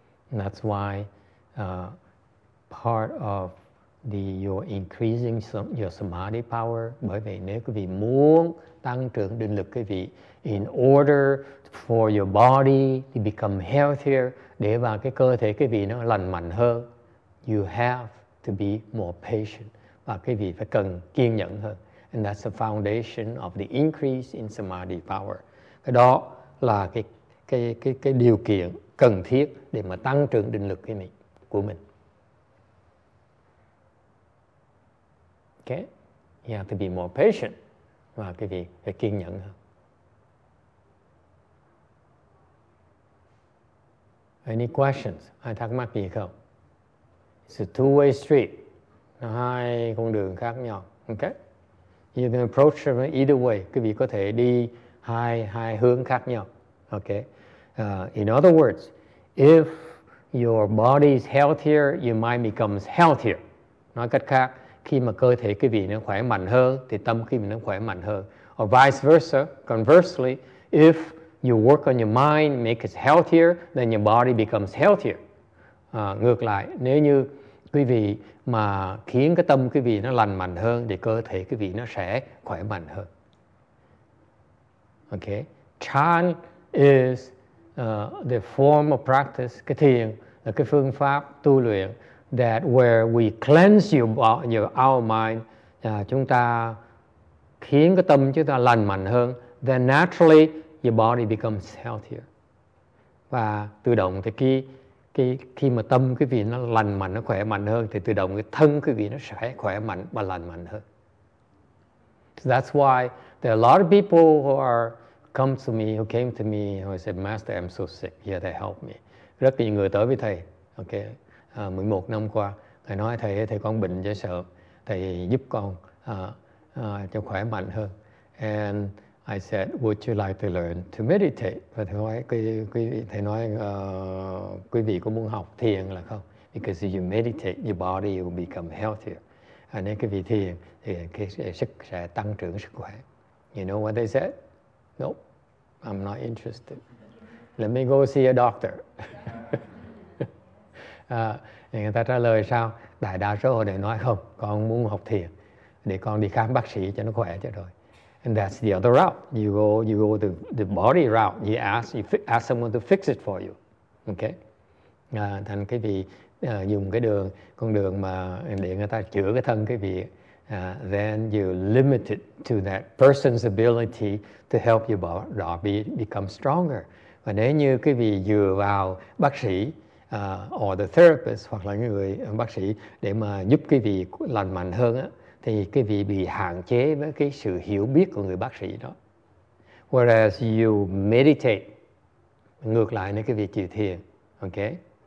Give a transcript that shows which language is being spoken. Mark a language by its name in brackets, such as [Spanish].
[English] And that's why part of the your increasing some, your samadhi power. [Vietnamese] Bởi vì nếu quý vị muốn tăng trưởng định lực quý vị, [English] in order for your body to become healthier, [Vietnamese] để vào cái cơ thể quý vị nó lành mạnh hơn, [English] you have to be more patient. [Vietnamese] Và quý vị phải cần kiên nhẫn hơn. [English] And that's the foundation of the increase in samadhi power. [Vietnamese] Cái đó là cái điều kiện cần thiết để mà tăng trưởng định lực của mình. [English] Okay? You have to be more patient. [Vietnamese] Và quý vị phải kiên nhẫn hơn. [English] Any questions? [Vietnamese] Ai thắc mắc gì không? [English] It's a two-way street. [Vietnamese] Nó hai con đường khác nhau. [English] Okay? You can approach them either way. [Vietnamese] Quý vị có thể đi hai hướng khác nhau. [English] Okay? In other words, if your body is healthier, your mind becomes healthier. [Vietnamese] Nói cách khác, khi mà cơ thể quý vị nó khỏe mạnh hơn, thì tâm quý vị nó khỏe mạnh hơn. [English] Or vice versa, conversely, if you work on your mind, make it healthier, then your body becomes healthier. [Vietnamese] Ngược lại, nếu như quý vị mà khiến cái tâm quý vị nó lành mạnh hơn, thì cơ thể quý vị nó sẽ khỏe mạnh hơn. [English] Okay? Chan is the form of practice, [Vietnamese] cái thiền, là cái phương pháp tu luyện, [English] that where we cleanse our mind, [Vietnamese] chúng ta khiến cái tâm chúng ta lành mạnh hơn, [English] then naturally your body becomes healthier. [Vietnamese] Và tự động thì khi mà tâm quý vị nó lành mạnh, nó khỏe mạnh hơn, thì tự động cái thân quý vị nó sẽ khỏe mạnh và lành mạnh hơn. [English] So that's why there are a lot of people who came to me, who said, Master, I'm so sick, here to help me. [Vietnamese] Rất nhiều người tới với thầy, okay, 11 năm qua, thầy nói, thầy con bệnh cho sợ, thầy giúp con cho khỏe mạnh hơn. [English] And I said, would you like to learn to meditate? [Vietnamese] Và thầy nói, quý vị có muốn học thiền là không? [English] Because if you meditate, your body will become healthier. [Vietnamese] À, nếu quý vị thiền, thì cái sức sẽ tăng trưởng sức khỏe. [English] You know what they said? Nope, I'm not interested. Let me go see a doctor. [Vietnamese] người ta trả lời sao? Đại đa số họ đều nói không, con muốn học thiền để con đi khám bác sĩ cho nó khỏe cho rồi. [English] And that's the other route. You go the body route. You ask someone to fix it for you. Okay? [Vietnamese] Thành cái vị dùng cái đường con đường mà để người ta chữa cái thân cái vị. [English] Then you're limited to that person's ability to help your body become stronger. [Vietnamese] Và nếu như quý vị dựa vào bác sĩ [English] or the therapist [Vietnamese] hoặc là người bác sĩ để mà giúp quý vị lành mạnh hơn, thì quý vị bị hạn chế với cái sự hiểu biết của người bác sĩ đó. [English] Whereas you meditate, [Vietnamese] ngược lại nếu quý vị chịu thiền, okay?